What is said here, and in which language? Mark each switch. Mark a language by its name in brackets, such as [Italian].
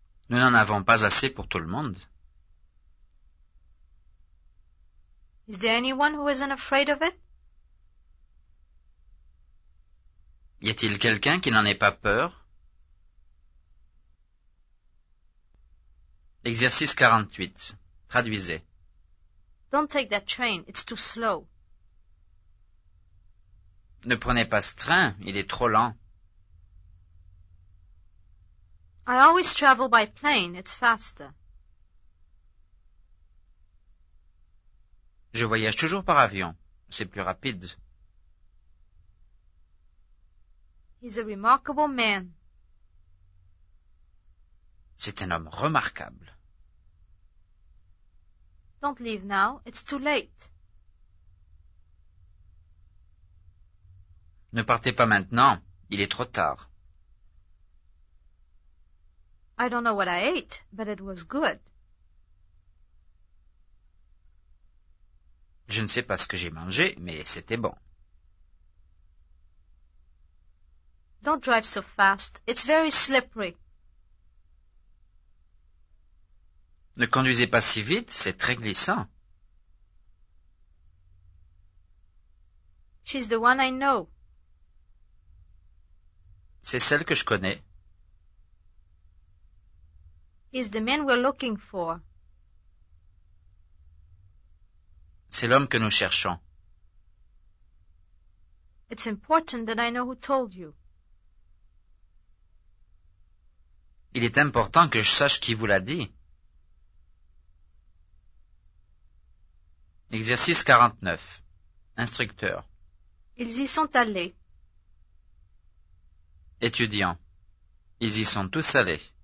[French] Nous n'en avons pas assez pour tout le monde. [English] Is there anyone who isn't afraid of it? [French] Y a-t-il quelqu'un qui n'en ait pas peur? Exercice 48. Traduisez. [English] Don't take that train. It's too slow. [French] Ne prenez pas ce train. Il est trop lent. [English] I always travel by plane. It's faster. [French] Je voyage toujours par avion. C'est plus rapide. [English] He's a remarkable man. [French] C'est un homme remarquable. [English] Don't leave now. It's too late. [French] Ne partez pas maintenant. Il est trop tard. [English] I don't know what I ate, but it was good. [French] Je ne sais pas ce que j'ai mangé, mais c'était bon. [English] Don't drive so fast. It's very slippery. [French] Ne conduisez pas si vite, c'est très glissant. [English] She's the one I know. [French] C'est celle que je connais. [English] Is the man we're looking for. [French] C'est l'homme que nous cherchons. [English] It's important that I know who told you. [French] Il est important que je sache qui vous l'a dit. Exercice 49. Instructeur. Ils y sont allés. Étudiant. Ils y sont tous allés.